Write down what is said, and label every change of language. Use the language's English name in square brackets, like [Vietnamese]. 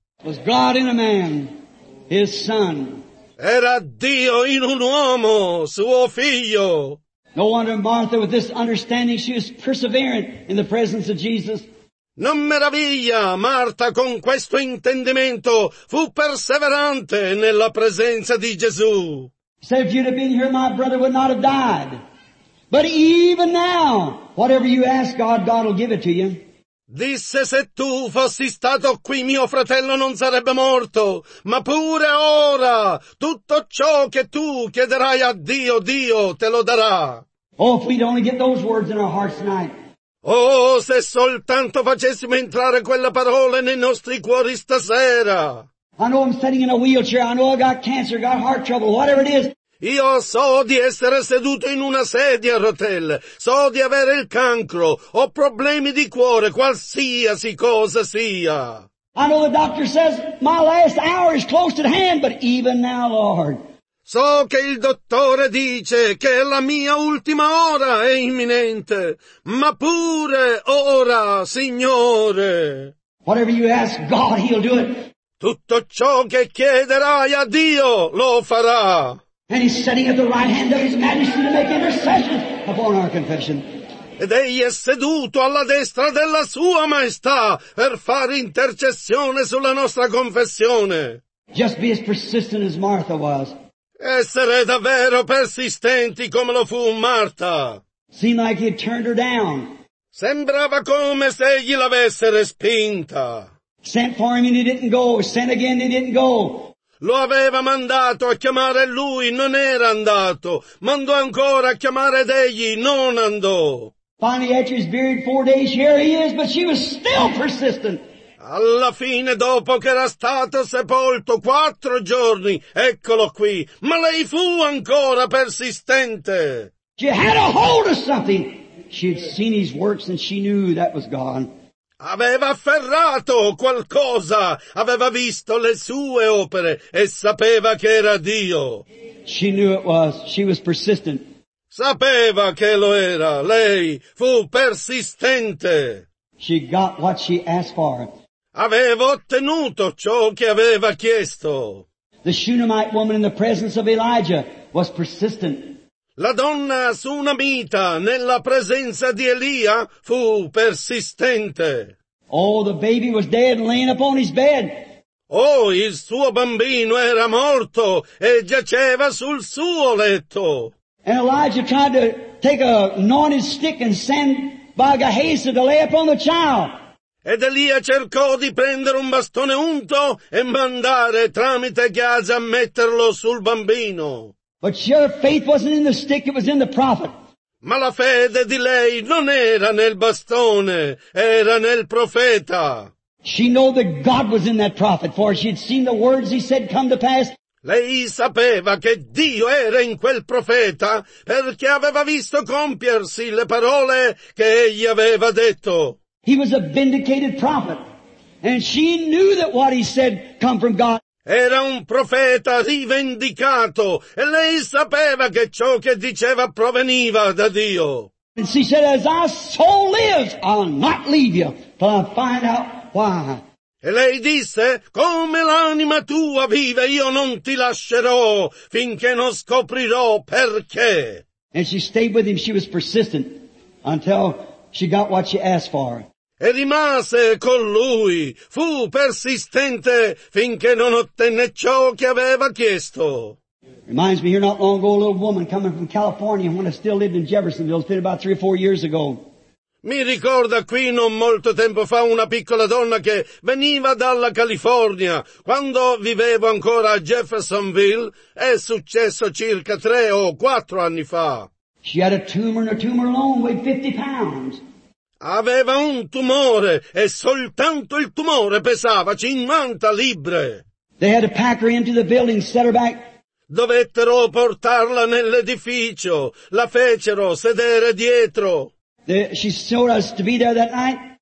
[English] Was God in a man, his son. [Italian] Era Dio in un uomo, suo figlio. [English] No wonder Martha, with this understanding, she was perseverant in the presence of Jesus. [Italian] Non meraviglia, Marta, con questo intendimento, fu perseverante nella presenza di Gesù. [English] Say, if you'd have been here, my brother would not have died. But even now, whatever you ask God, God will give it to you. [Italian] Disse, se tu fossi stato qui, mio fratello non sarebbe morto, ma pure ora, tutto ciò che tu chiederai a Dio, Dio te lo darà. [English] Oh, if we'd only get those words in our hearts tonight. [Italian] Oh, se soltanto facessimo entrare quella parola nei nostri cuori stasera. [English] I know I'm sitting in a wheelchair, I know I got cancer, got heart trouble, whatever it is. [Italian] Io so di essere seduto in una sedia a rotelle, so di avere il cancro, ho problemi di cuore, qualsiasi cosa sia. [English] I know the doctor says my last hour is close at hand, but even now, Lord. [Italian] So che il dottore dice che la mia ultima ora è imminente, ma pure ora, Signore. [English] Whatever you ask God, He'll do it. [Italian] Tutto ciò che chiederai a Dio lo farà. [English] And he's sitting at the right hand of his majesty to make intercession upon our confession. [Italian] Ed egli è seduto alla destra della sua maestà per fare intercessione sulla nostra confessione. [English] Just be as persistent as Martha was. [Italian] Essere davvero persistenti come lo fu Martha. [English] Seemed like he had turned her down. [Italian] Sembrava come se egli l'avesse respinta. [English] Sent for him and he didn't go. Sent again and he didn't go. [Italian] Lo aveva mandato a chiamare lui, non era andato. Mandò ancora a chiamare ed egli, non andò. [English] Finally, after he's buried 4 days, here he is, but she was still persistent. [Italian] Alla fine, dopo che era stato sepolto 4 giorni, eccolo qui. Ma lei fu ancora persistente. [English] She had a hold of something. She had seen his works and she knew that was God. [Italian] Aveva afferrato qualcosa, aveva visto le sue opere e sapeva che era Dio. [English] She knew it was. She was persistent. [Italian] Sapeva che lo era. Lei fu persistente. [English] She got what she asked for. [Italian] Aveva ottenuto ciò che aveva chiesto. [English] The Shunammite woman in the presence of Elijah was persistent. [Italian] La donna sunamita nella presenza di Elia fu persistente. [English] Oh, the baby was dead laying upon his bed. [Italian] Oh, il suo bambino era morto e giaceva sul suo letto. [English] And Elijah tried to take a anointed stick and send by Gehazi to lay upon the child. [Italian] Ed Elia cercò di prendere un bastone unto e mandare tramite Gehazi a metterlo sul bambino. [English] But your faith wasn't in the stick, it was in the prophet. [Italian] Ma la fede di lei non era nel bastone, era nel profeta. [English] She knew that God was in that prophet, for she had seen the words he said come to pass. [Italian] Lei sapeva che Dio era in quel profeta, perché aveva visto compiersi le parole che egli aveva detto. [English] He was a vindicated prophet, and she knew that what he said come from God. [Italian] Era un profeta rivendicato e lei sapeva che ciò che diceva proveniva da Dio. [English] And she said, as our soul lives, I'll not leave you till I find out why. [Italian] E lei disse, come l'anima tua vive, io non ti lascerò finché non scoprirò perché. [English] And she stayed with him, she was persistent until she got what she asked for. [Italian] E rimase con lui, fu persistente finché non ottenne ciò che aveva chiesto. [English] Reminds me here not long ago a little woman coming from California when I still lived in Jeffersonville, it's been about 3 or 4 years ago. [Italian] Mi ricorda qui non molto tempo fa una piccola donna che veniva dalla California. Quando vivevo ancora a Jeffersonville, è successo circa 3 o 4 anni fa. [English] She had a tumor and her tumor alone weighed 50 pounds. [Italian] Aveva un tumore e soltanto il tumore pesava 50 libbre. [English] They had to pack her into the building, set her back. [Italian] Dovettero portarla nell'edificio, la fecero sedere dietro. [English] She showed us to be there that night.